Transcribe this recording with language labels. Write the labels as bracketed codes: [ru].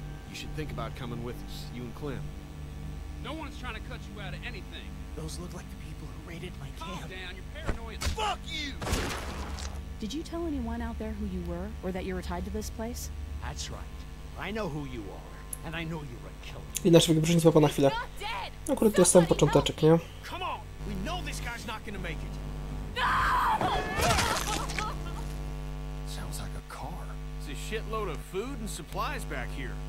[en] You should think about coming with us, you and Clem. No one's trying to cut you out of anything. Those look like the people who raided my Calm camp. Calm down, you're paranoid. Fuck you! Did you tell anyone out there who you were, or that you were tied to this place? That's right. I know who you are, and I know you're a killer. [pl] I nasz wybrzeźnik złapał na chwilę. Akurat to jest sam począteczek, nie? [en] Come on! We know this guy's not gonna make it! No! Sounds like a car. It's a shitload of food and supplies back here.